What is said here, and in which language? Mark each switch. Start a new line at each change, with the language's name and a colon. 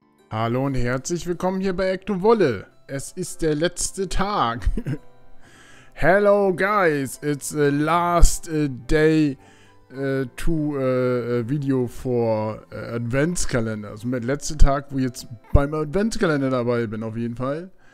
German: Hallo und herzlich willkommen hier bei Ecto Wolle. Es ist der letzte Tag.
English: Hello guys, it's the last day to video for Adventskalender.
German: Also mit letzter Tag, wo ich jetzt beim Adventskalender dabei bin, auf jeden Fall.